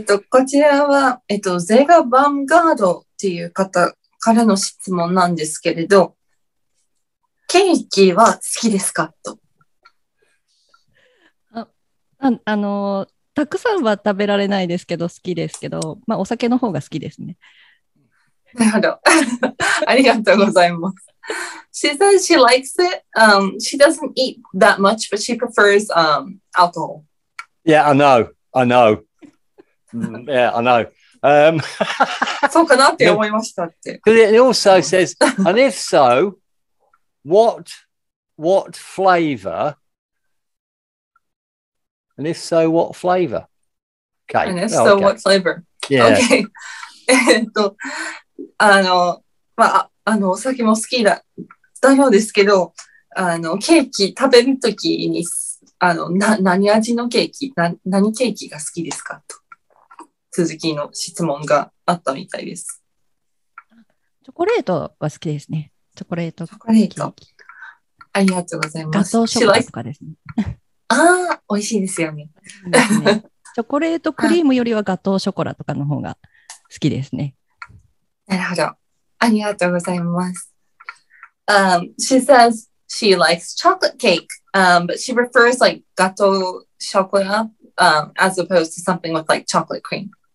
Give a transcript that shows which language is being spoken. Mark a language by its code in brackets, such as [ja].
[ja] こちらは、ゼガ・バンガードっていう方からの質問なんですけれど、ケーキは好きですか？と。たくさんは食べられないですけど、好きですけど、まあ、お酒の方が好きですね。なるほど。ありがとうございます。 [en] She says she likes it. She doesn't eat that much, but she prefers, alcohol. Yeah, I know. Yeah, I know. [ja] そうかなって思いましたって。 [en] It also says, and if so, what flavor? And if so, what flavor? Okay. And if so, what flavor? Yeah. Okay. [ja] お酒も好きだようですけど、ケーキ食べるときに、何味のケーキ、何ケーキが好きですかと。続きの質問があったみたいです。チョコレートは好きですね。チョコレート。チョコレート。ありがとうございます。ガトーショコラとかですね。ああ、美味しいですよね。チョコレートクリームよりはガトーショコラとかの方が好きですね。なるほど。ありがとうございます。 [en] She says she likes chocolate cake, but she prefers like gâteau chocolat, as opposed to something with like chocolate cream.